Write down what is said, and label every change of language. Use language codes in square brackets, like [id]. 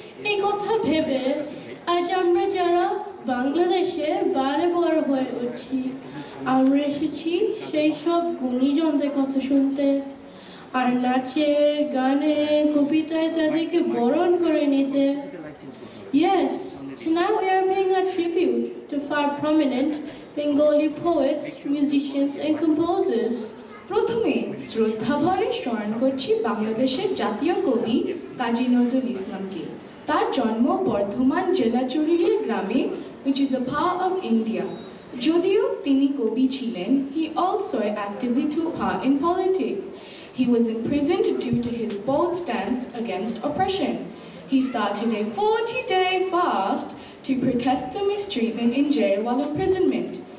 [bn] এই কথা ভেবে আজ আমরা যারা বাংলাদেশে বারে বড় হয়ে উঠছি, আমরা এসেছি সেই সব গুণীজনদের কথা শুনতে, আর নাচে গানে কবিতায় তাদেরকে বরণ করে নিতে। Yes, [en] tonight we are paying a tribute to five prominent Bengali poets, musicians and composers. [bn] প্রথমে শ্রদ্ধাভরে স্মরণ করছি বাংলাদেশের জাতীয় কবি কাজী নজরুল ইসলামকে। তার জন্ম বর্ধমান জেলা চুরুলিয়া গ্রামে, [en] which is a part of India. [bn] যদিও তিনি কবি ছিলেন, [en] he also actively took part in politics. He was imprisoned due to his bold stance against oppression. He started a 40-day fast to protest the mistreatment in jail while imprisonment.